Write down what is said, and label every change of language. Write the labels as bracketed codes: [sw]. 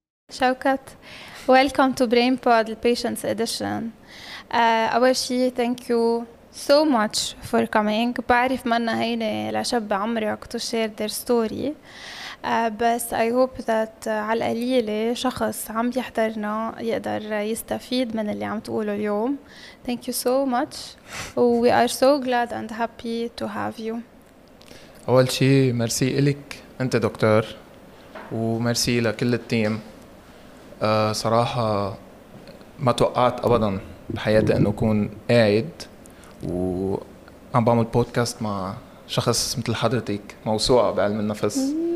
[en] شوكت، welcome to Brainpod, the patient's edition. [ar] أول شيء [en] thank you so much for coming. [ar] بعرف منا هينة لشاب عمرك [en] to share their story. [ar] بس [en] I hope that [ar] على القليلة شخص عم يحضرنا يقدر يستفيد من اللي عم تقوله اليوم. [en] Thank you so much. We are so glad and happy to have you. [ar] أول شيء مرسي إلك أنت دكتور، ومرسي لكل التيم. صراحة ما توقعت أبدا بحياتي أنه أكون قاعد وعم بعمل بودكاست مع شخص مثل حضرتك، موسوعة بعلم النفس.